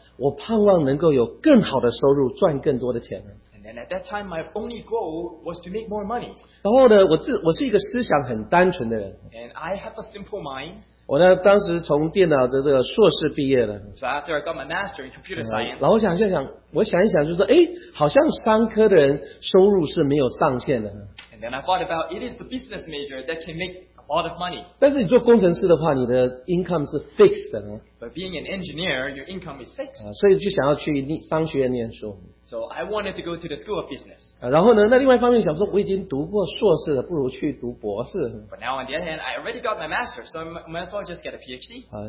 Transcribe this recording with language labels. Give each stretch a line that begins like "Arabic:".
Chinese: 当时我的人生目标呢，其实我就想说，我盼望能够有更好的收入，赚更多的钱。
English: And then at that time, my only goal was to make more money.
Chinese: 然后呢，我是一个思想很单纯的人。
English: And I have a simple mind.
Chinese: 我呢，当时从电脑的这个硕士毕业了。
English: So after I got my master in computer science.
Chinese: 然后我想一想，就说，哎，好像商科的人收入是没有上限的。
English: And then I thought about it is the business major that can make lot of money.
Chinese: 但是你做工程师的话，你的 income 是
English: fixed
Chinese: 的呢。
English: But being an engineer, your income is fixed.
Chinese: 所以就想要去商学院念书。
English: So I wanted to go to the school of business.
Chinese: 然后呢，那另外一方面想说，我已经读过硕士了，不如去读博士。
English: But now on the other hand, I already got my master, so I might as well just get a PhD.